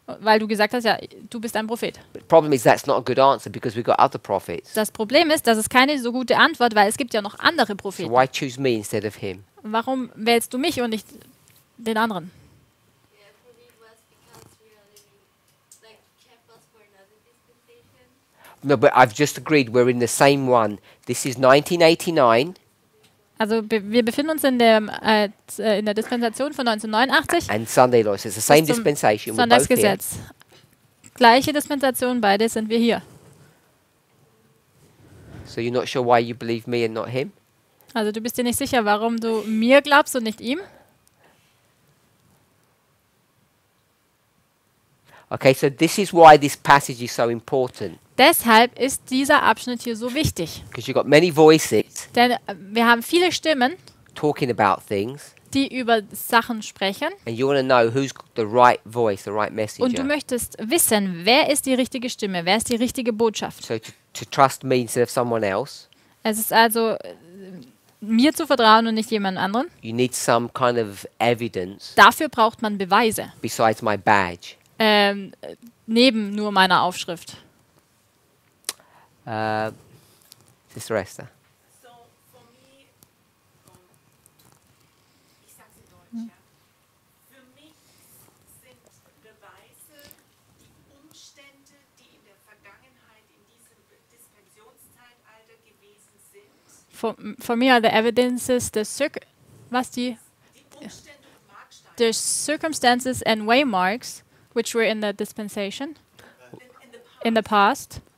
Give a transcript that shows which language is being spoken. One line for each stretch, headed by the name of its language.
German: Weil du gesagt hast, ja, du bist ein Prophet.
English: But problem is that's not a good answer because we got other prophets.
German: Das Problem ist, das ist keine so gute Antwort, weil es gibt ja noch andere Propheten.
English: So why choose me instead of him?
German: Warum wählst du mich und nicht den anderen?
English: No, but I've just agreed we're in the same one. This is 1989.
German: Also wir befinden uns in der Dispensation von 1989.
English: And Sunday law, so it's the same dispensation.
German: Sonntagsgesetz. Gleiche Dispensation, beide sind wir hier.
English: So you're not sure why you believe me and not him?
German: Also du bist dir nicht sicher, warum du mir glaubst und nicht ihm?
English: Okay, so this is why this passage is so important.
German: Deshalb ist dieser Abschnitt hier so wichtig.
English: Because you got many voices.
German: Denn wir haben viele Stimmen,
English: talking about things,
German: die über Sachen sprechen.
English: And you wanna know who's the right voice, the right messenger.
German: Und du möchtest wissen, wer ist die richtige Stimme, wer ist die richtige Botschaft.
English: So to trust me instead of someone else.
German: Es ist also mir zu vertrauen und nicht jemand anderen.
English: You need some kind of evidence.
German: Dafür braucht man Beweise.
English: Besides my badge.
German: Neben nur meiner Aufschrift.
English: Sister Esther. So, for me,
German: ich sag's in Deutsch, ja. Für mich sind Beweise die Umstände, die in der Vergangenheit in diesem Dispensionszeitalter gewesen sind.
English: For me are the evidences, the circumstances and waymarks which were in the dispensation in the past.